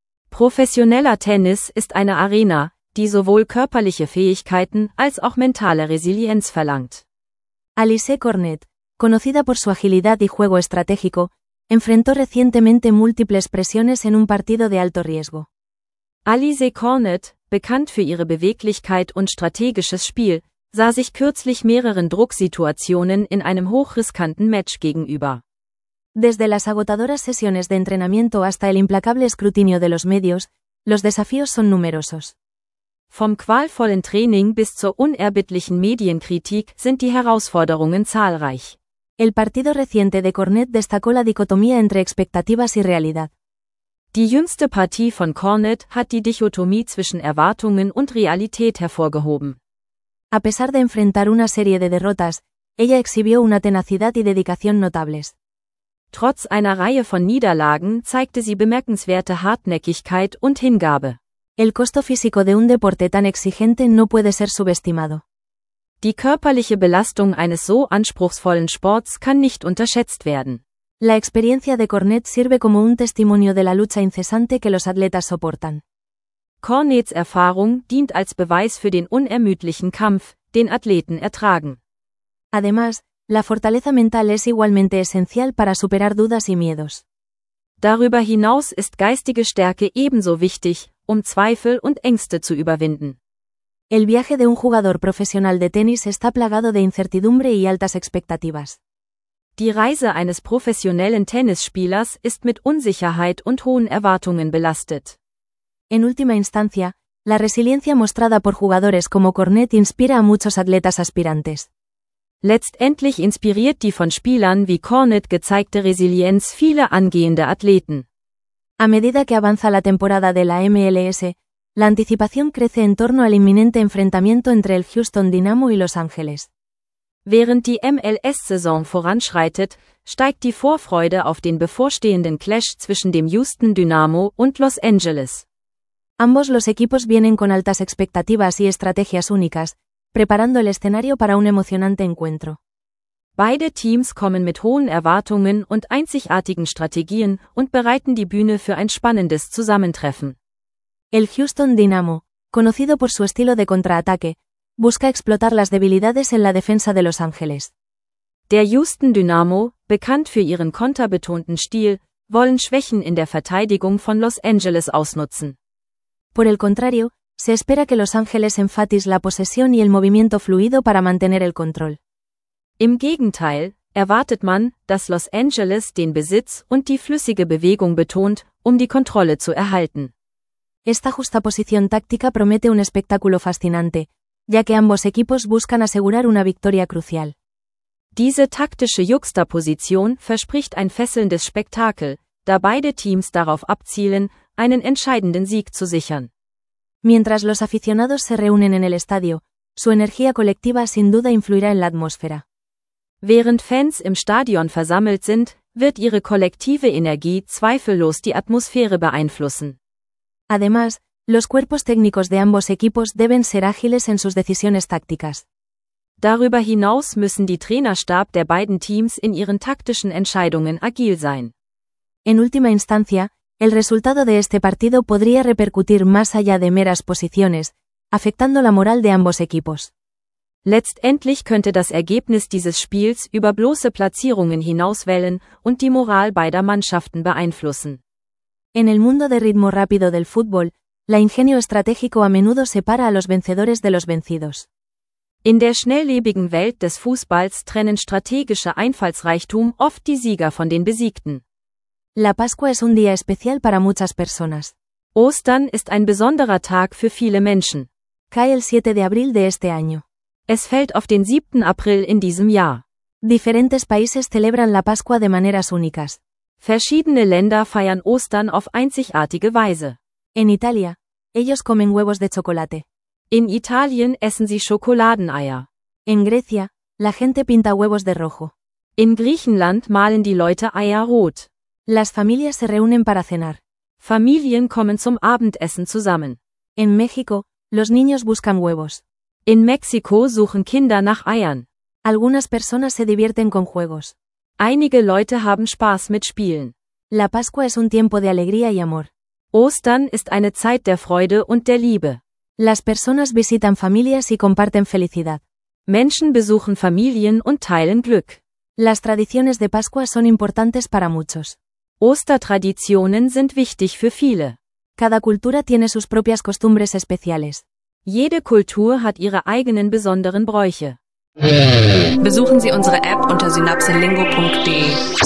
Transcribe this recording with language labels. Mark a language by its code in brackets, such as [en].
[de] Professioneller Tennis ist eine Arena, die sowohl körperliche Fähigkeiten als auch mentale Resilienz verlangt. [es] Alice Cornet, conocida por su agilidad y juego estratégico, enfrentó recientemente múltiples presiones en un partido de alto riesgo. [de] Alice Cornet, bekannt für ihre Beweglichkeit und strategisches Spiel, sah sich kürzlich mehreren Drucksituationen in einem hochriskanten Match gegenüber. [es] Desde las agotadoras sesiones de entrenamiento hasta el implacable escrutinio de los medios, los desafíos son numerosos. [de] Vom qualvollen Training bis zur unerbittlichen Medienkritik sind die Herausforderungen zahlreich. [es] El partido reciente de Cornet destacó la dicotomía entre expectativas y realidad. [de] Die jüngste Partie von Cornet hat die Dichotomie zwischen Erwartungen und Realität hervorgehoben. [es] A pesar de enfrentar una serie de derrotas, ella exhibió una tenacidad y dedicación notables. [de] Trotz einer Reihe von Niederlagen zeigte sie bemerkenswerte Hartnäckigkeit und Hingabe. [es] El costo físico de un deporte tan exigente no puede ser subestimado. [de] Die körperliche Belastung eines so anspruchsvollen Sports kann nicht unterschätzt werden. [es] La experiencia de Cornet sirve como un testimonio de la lucha incesante que los atletas soportan. [de] Cornets Erfahrung dient als Beweis für den unermüdlichen Kampf, den Athleten ertragen. [es] Además, la fortaleza mental es igualmente esencial para superar dudas y miedos. [de] Darüber hinaus ist geistige Stärke ebenso wichtig, um Zweifel und Ängste zu überwinden. [es] El viaje de un jugador profesional de tenis está plagado de incertidumbre y altas expectativas. [de] Die Reise eines professionellen Tennisspielers ist mit Unsicherheit und hohen Erwartungen belastet. [es] En última instancia, la resiliencia mostrada por jugadores como Cornet inspira a muchos atletas aspirantes. [de] Letztendlich inspiriert die von Spielern wie Cornet gezeigte Resilienz viele angehende Athleten. [es] A medida que avanza la temporada de la MLS, la anticipación crece en torno al inminente enfrentamiento entre el Houston Dynamo y Los Ángeles. [de] Während die MLS-Saison voranschreitet, steigt die Vorfreude auf den bevorstehenden Clash zwischen dem Houston Dynamo und Los Angeles. [es] Ambos los equipos vienen con altas expectativas y estrategias únicas, preparando el escenario para un emocionante encuentro. [de] Beide Teams kommen mit hohen Erwartungen und einzigartigen Strategien und bereiten die Bühne für ein spannendes Zusammentreffen. [es] El Houston Dynamo, conocido por su estilo de contraataque, busca explotar las debilidades en la defensa de Los Ángeles. [de] Der Houston Dynamo, bekannt für ihren konterbetonten Stil, wollen Schwächen in der Verteidigung von Los Angeles ausnutzen. [es] Por el contrario, se espera que Los Ángeles enfatice la posesión y el movimiento fluido para mantener el control. [de] Im Gegenteil, erwartet man, dass Los Angeles den Besitz und die flüssige Bewegung betont, um die Kontrolle zu erhalten. [es] Esta justaposición táctica promete un espectáculo fascinante, ya que ambos equipos buscan asegurar una victoria crucial. [de] Diese taktische Juxtaposition verspricht ein fesselndes Spektakel, da beide Teams darauf abzielen, einen entscheidenden Sieg zu sichern. [es] Mientras los aficionados se reúnen en el estadio, su energía colectiva sin duda influirá en la atmósfera. [de] Während Fans im Stadion versammelt sind, wird ihre kollektive Energie zweifellos die Atmosphäre beeinflussen. [es] Además, los cuerpos técnicos de ambos equipos deben ser ágiles en sus decisiones tácticas. [de] Darüber hinaus müssen die Trainerstab der beiden Teams in ihren taktischen Entscheidungen agil sein. [es] En última instancia, el resultado de este partido podría repercutir más allá de meras posiciones, afectando la moral de ambos equipos. [de] Letztendlich könnte das Ergebnis dieses Spiels über bloße Platzierungen hinauswellen und die Moral beider Mannschaften beeinflussen. [es] En el mundo de ritmo rápido del fútbol, la ingenio estratégico a menudo separa a los vencedores de los vencidos. [de] In der schnelllebigen Welt des Fußballs trennen strategische Einfallsreichtum oft die Sieger von den Besiegten. [es] La Pascua es un día especial para muchas personas. [de] Ostern ist ein besonderer Tag für viele Menschen. [es] Cae el 7 de abril de este año. [de] Es fällt auf den 7. April in diesem Jahr. [es] Diferentes países celebran la Pascua de maneras únicas. [de] Verschiedene Länder feiern Ostern auf einzigartige Weise. [es] En Italia, ellos comen huevos de chocolate. [de] In Italien essen sie Schokoladeneier. [es] En Grecia, la gente pinta huevos de rojo. [de] In Griechenland malen die Leute Eier rot. [es] Las familias se reúnen para cenar. [de] Familien kommen zum Abendessen zusammen. [es] En México, los niños buscan huevos. [de] In Mexiko suchen Kinder nach Eiern. [es] Algunas personas se divierten con juegos. [de] Einige Leute haben Spaß mit Spielen. [es] La Pascua es un tiempo de alegría y amor. [de] Ostern ist eine Zeit der Freude und der Liebe. [es] Las personas visitan familias y comparten felicidad. [de] Menschen besuchen Familien und teilen Glück. [es] Las tradiciones de Pascua son importantes para muchos. [de] Ostertraditionen sind wichtig für viele. [es] Cada cultura tiene sus propias costumbres especiales. [de] Jede Kultur hat ihre eigenen besonderen Bräuche. Besuchen Sie unsere App unter synapselingo.de.